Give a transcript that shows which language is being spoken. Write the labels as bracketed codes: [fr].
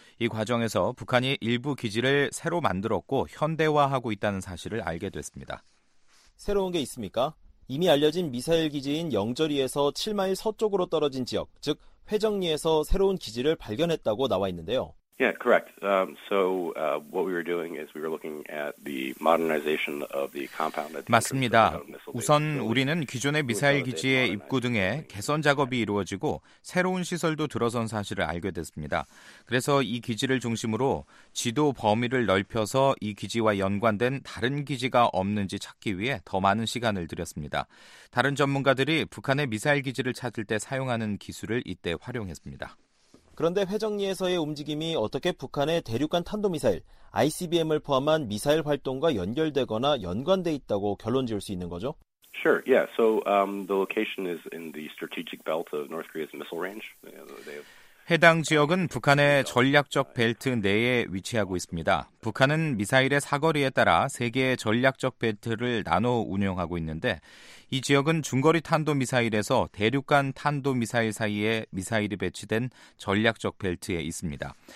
[ko] 이 과정에서 북한이 일부 기지를 새로 만들었고 현대화하고 있다는 사실을 알게 됐습니다. 새로운 게 있습니까? 이미 알려진 미사일 기지인 영저리에서 7마일 서쪽으로 떨어진 지역, 즉 회정리에서 새로운 기지를 발견했다고 나와 있는데요. [en] Yeah, correct. What we were doing is we were looking at the modernization of the compound. [ko] 맞습니다. 우선 우리는 기존의 미사일 기지의 입구 등에 개선 작업이 이루어지고 새로운 시설도 들어선 사실을 알게 됐습니다. 그래서 이 기지를 중심으로 지도 범위를 넓혀서 이 기지와 연관된 다른 기지가 없는지 찾기 위해 더 많은 시간을 들였습니다. 다른 전문가들이 북한의 미사일 기지를 찾을 때 사용하는 기술을 이때 활용했습니다. 그런데 회정리에서의 움직임이 어떻게 북한의 대륙간 탄도미사일, ICBM을 포함한 미사일 활동과 연결되거나 연관돼 있다고 결론 지을 수 있는 거죠? [en] Sure. Yeah. So the location is in the strategic belt of North Korea's missile range. They have [ko] 해당 지역은 북한의 전략적 벨트 내에 위치하고 있습니다. 북한은 미사일의 사거리에 따라 세 개의 전략적 벨트를 나눠 운영하고 있는데 이 지역은 중거리 탄도미사일에서 대륙간 탄도미사일 사이에 미사일이 배치된 전략적 벨트에 있습니다.